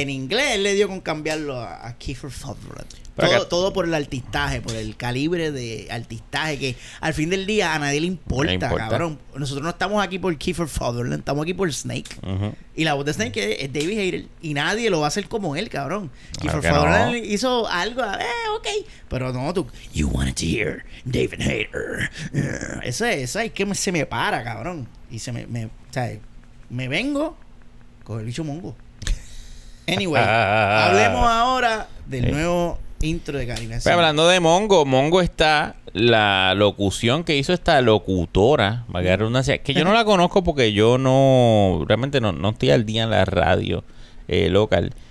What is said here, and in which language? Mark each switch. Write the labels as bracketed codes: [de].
[es] en inglés él le dio con cambiarlo a Kiefer Sutherland. Todo por el artistaje, por el calibre de artistaje que al fin del día a nadie le importa, cabrón. Nosotros no estamos aquí por Kiefer Sutherland, estamos aquí por Snake. Uh-huh. Y la voz de Snake es David Hayter y nadie lo va a hacer como él, cabrón. Kiefer Sutherland hizo algo, ok. Pero no, tú, [en] you wanted to hear David Hayter. [es] Eso es que se me para, cabrón. Y se me o sea, me vengo con el bicho mongo. [en] Anyway, [es] hablemos ahora del nuevo... intro de Karina. Pero hablando de Mongo, Mongo está la locución que hizo esta locutora, valga la redundancia, que yo no la conozco porque yo no realmente no estoy al día en la radio local.